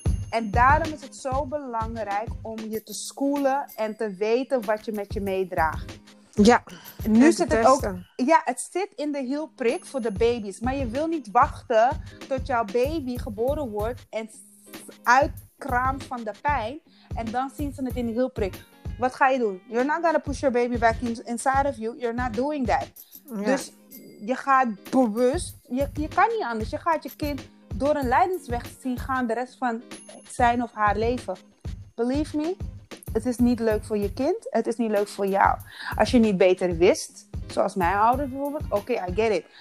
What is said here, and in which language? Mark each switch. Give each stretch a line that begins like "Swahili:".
Dutch: En daarom is het zo belangrijk om je te schoolen en te weten wat je met je meedraagt. Ja, nu zit het ook. Ja, het zit in de hielprik voor de baby's. Maar je wil niet wachten tot jouw baby geboren wordt en uitkraamt van de pijn. En dan zien ze het in de hielprik. Wat ga je doen?
English: You're not gonna push your baby back inside of you. You're not doing that.
Dutch: Ja. Dus je gaat bewust. Je kan niet anders. Je gaat je kind door een lijdensweg zien gaan de rest van zijn of haar leven.
English: Believe me.
Dutch: Het is niet leuk voor je kind. Het is niet leuk voor jou. Als je niet beter wist, zoals mijn ouders bijvoorbeeld. Oké,
English: I get it.